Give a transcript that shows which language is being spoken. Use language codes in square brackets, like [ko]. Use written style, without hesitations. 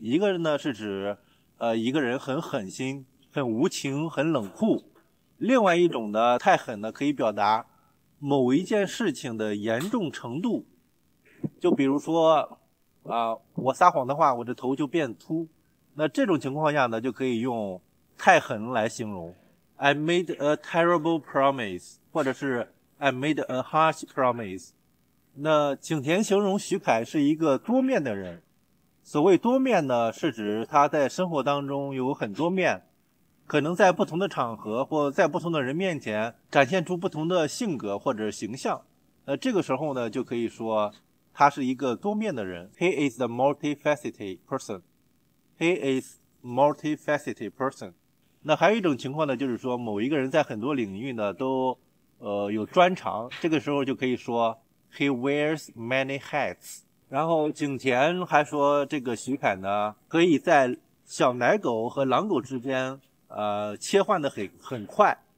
[zh] 一个呢是指一个人很狠心，很无情，很冷酷。另外一种呢，太狠呢可以表达某一件事情的严重程度。就比如说我撒谎的话我的头就变秃。那这种情况下呢就可以用太狠来形容。 [en] I made a terrible promise, [zh] 或者是 [en] I made a harsh promise. [zh] 那景甜形容徐凯是一个多面的人。所谓多面呢，是指他在生活当中有很多面，可能在不同的场合或在不同的人面前展现出不同的性格或者形象。那这个时候呢，就可以说他是一个多面的人。 [en] He is a multifaceted person. He is multifaceted person. [zh] 那还有一种情况呢，就是说某一个人在很多领域呢都有专长，这个时候就可以说 [en] he wears many hats。 [zh] 然后景甜还说这个徐凯呢可以在小奶狗和狼狗之间切换的很快。